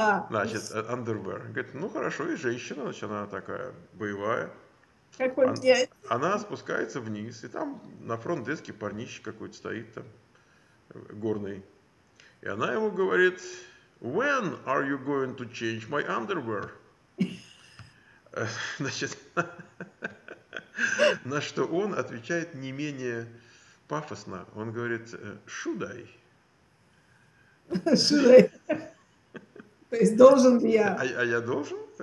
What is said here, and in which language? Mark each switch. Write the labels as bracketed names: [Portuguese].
[Russian] Значит, underwear. Говорит, ну хорошо, и женщина, значит, она такая боевая. Она спускается вниз, и там на фронт-деске парнище какой-то стоит там, горный. И она ему говорит, [English] when are you going to change my underwear? [Russian] Значит, на что он отвечает не менее пафосно. [English] Он говорит, should I? Should I? [Russian] То есть должен ли я? А я должен?